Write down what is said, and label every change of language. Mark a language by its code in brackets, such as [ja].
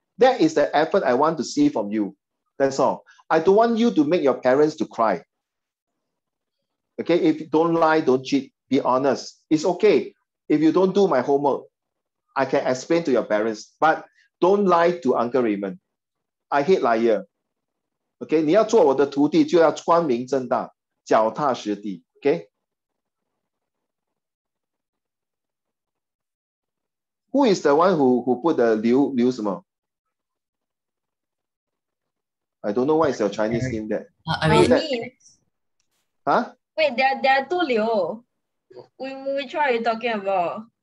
[en] That is the effort I want to see from you. That's all. I don't want you to make your parents to cry. Okay, if you don't lie, don't cheat, be honest. It's okay. If you don't do my homework, I can explain to your parents. But don't lie to Uncle Raymond. I hate liar. [zh] Okay, 你要做我的徒弟，就要光明正大，脚踏实地. [en] Okay. Who is the one who put the Liu 什么? I don't know why it's your Chinese name there. Wait, there are two Liu. Which one are you talking about?